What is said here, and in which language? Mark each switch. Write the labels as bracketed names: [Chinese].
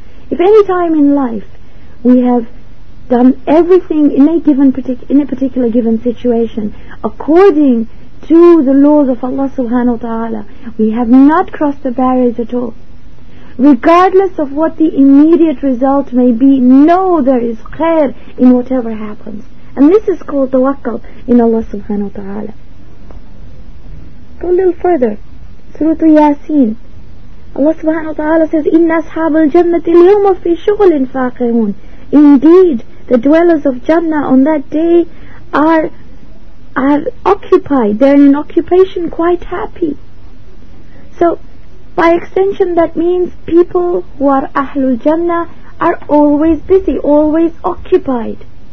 [English] If any time in life we have done everything in a particular given situation according to the laws of Allah subhanahu wa ta'ala, we have not crossed the barriers at all, regardless of what the immediate result may be, know there is khair in whatever happens. And this is called tawakkal in Allah subhanahu wa ta'ala. Go a little further. Surah Yasin. Allah subhanahu wa ta'ala says, [Arabic] إِنَّ أَصْحَابَ الْجَنَّةِ الْيَوْمَ فِي شُغْلٍ فَاقِهُونَ. [English] Indeed, the dwellers of Jannah on that day are occupied. They're in an occupation quite happy. So, by extension, that means people who are Ahlul Jannah are always busy, always occupied.